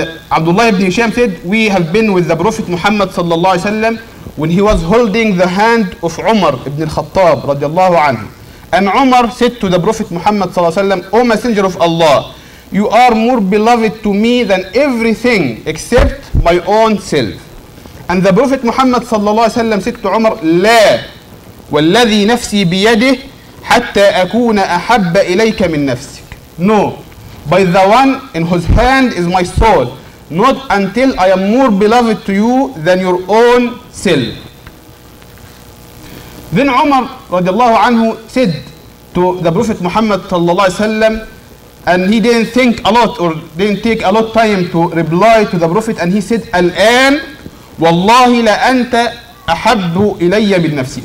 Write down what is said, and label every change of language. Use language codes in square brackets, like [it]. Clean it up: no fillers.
[en] Abdullah ibn Hisham said, we have been with the Prophet Muhammad sallallahu alayhi wa sallam when he was holding the hand of Umar ibn al-Khattab radiallahu anhu. And Umar said to the Prophet Muhammad sallallahu alayhi wa sallam, O Messenger of Allah, you are more beloved to me than everything except my own self. And the Prophet Muhammad sallallahu alayhi wa sallam said to Umar, [ar] لا والذي نفسي بيده حتى أكون أحب إليك من نفسك. [en] No, by the one in whose hand is my soul, not until I am more beloved to you than your own self. Then Umar رضي الله عنه said to the Prophet Muhammad صلى الله عليه وسلم, and he didn't think a lot or didn't take a lot time to reply to the Prophet, and he said, [ar] الآن والله لا أنت أحب إلي من نفسي.